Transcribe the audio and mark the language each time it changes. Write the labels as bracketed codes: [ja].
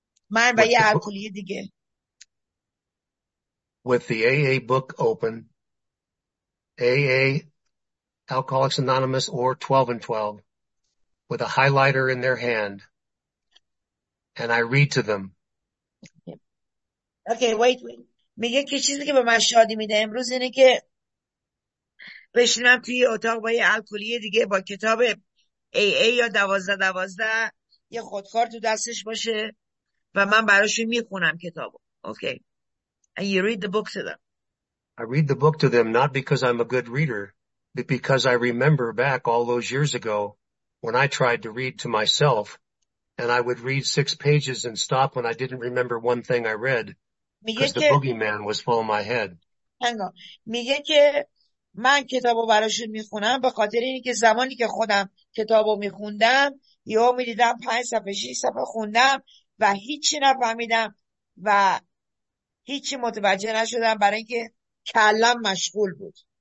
[fa] من با یه الکلی دیگه. [en] With the AA book open, AA, Alcoholics Anonymous, or 12 and 12, with a highlighter in their hand, and I read to them. Okay, wait. [fa] میگه که چیزی که به من شادی میده امروز اینه که بشینم توی اتاق با یه الکلی دیگه با کتاب AA یا 12-12 یه خودکار تو دستش باشه و من براشون میخونم کتابو. [en] Okay. And you read the book to them. I read the book to them not because I'm a good reader, but because I remember back all those years ago when I tried to read to myself and I would read six pages and stop when I didn't remember one thing I read. Because the boogeyman was full of my head. [fa] میگه که من کتابو براشون میخونم به خاطر اینکه زمانی که خودم کتابو میخوندم یهو میدیدم 5 صفحه 6 صفحه خوندم و هیچی نفهمیدم و هیچی متوجه نشدم برای اینکه کلم مشغول بود.